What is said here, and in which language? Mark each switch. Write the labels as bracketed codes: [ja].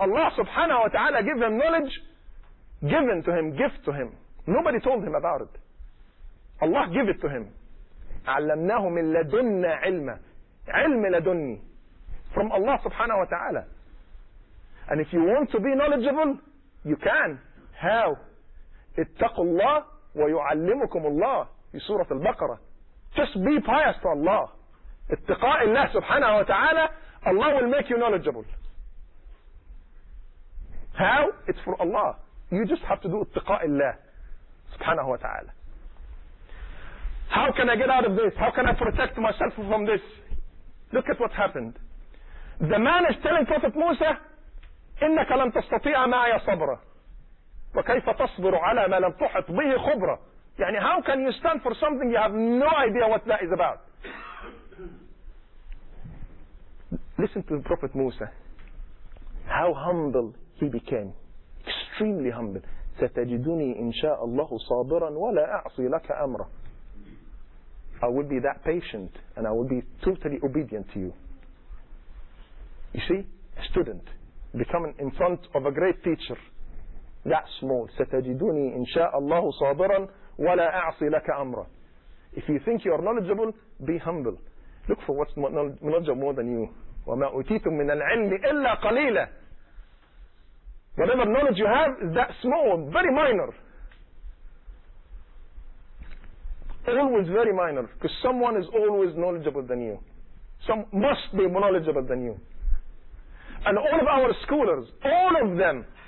[en] Allah subhanahu wa ta'ala give him knowledge, given to him, gift to him. Nobody told him about it. Allah give it to him. [ar] عَلَّمْنَاهُ مِن لَدُنَّ عِلْمَ عِلْمِ لَدُنِّي. [en] From Allah subhanahu wa ta'ala. And if you want to be knowledgeable, you can. How? [ar] اتقوا الله ويعلمكم الله في سورة البقرة. [en] Just be pious to Allah. [ar] اتقاء الله [en] subhanahu wa ta'ala, Allah will make you knowledgeable. How? It's for Allah. You just have to do [ar] اتقاء الله [en] subhanahu wa ta'ala. How can I get out of this? How can I protect myself from this? Look at what happened. The man is telling Prophet Musa, [ar] إِنَّكَ لَمْ تَسْتَطِيعَ مَعَيَ صَبْرًا وَكَيْفَ تَصْبِرُ عَلَى مَا لَمْ تُحِطْ بِهِ خُبْرًا. يعني [en] how can you stand for something you have no idea what that is about? Listen to Prophet Musa, how humble he became. Extremely humble. [ar] سَتَجِدُنِي إِنْ شَاءَ اللَّهُ صَابِرًا وَلَا أَعْصِي لَكَ أَمْرًا. [en] I will be that patient and I will be totally obedient to you. You see, a student becoming in front of a great teacher, that small. [ar] ستجدوني إن شاء الله صابرا ولا أعصي لك أمرا. [en] If you think you are knowledgeable, be humble. Look for what's knowledgeable more than you. [ar] وما أتيتم من العلم إلا قليلا. [en] Whatever knowledge you have is that small, very minor. Always very minor, because someone is always knowledgeable than you. Some must be more knowledgeable than you. And all of our scholars, all of them,